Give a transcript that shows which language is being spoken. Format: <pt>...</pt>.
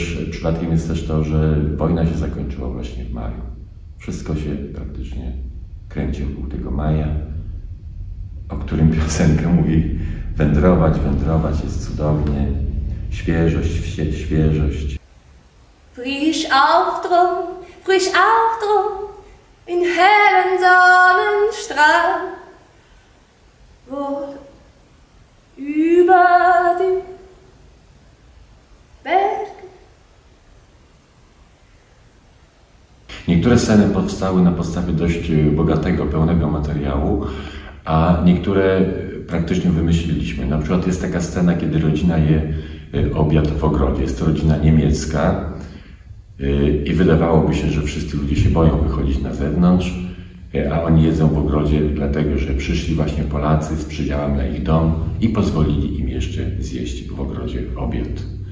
<pl>Przypadkiem jest też to, że wojna się zakończyła właśnie w maju. Wszystko się praktycznie kręci wokół tego maja, o którym piosenka mówi: wędrować, wędrować jest cudownie, świeżość, świeżość.</pl> <de>Frisch auf drum, in hellen Sonnenstrahl, wohl über die Berge.</de> <pl>Niektóre sceny powstały na podstawie dość bogatego, pełnego materiału, a niektóre praktycznie wymyśliliśmy. Na przykład jest taka scena, kiedy rodzina je obiad w ogrodzie. Jest to rodzina niemiecka i wydawałoby się, że wszyscy ludzie się boją wychodzić na zewnątrz, a oni jedzą w ogrodzie dlatego, że przyszli właśnie Polacy z przydziałem na ich dom i pozwolili im jeszcze zjeść w ogrodzie obiad.</pl>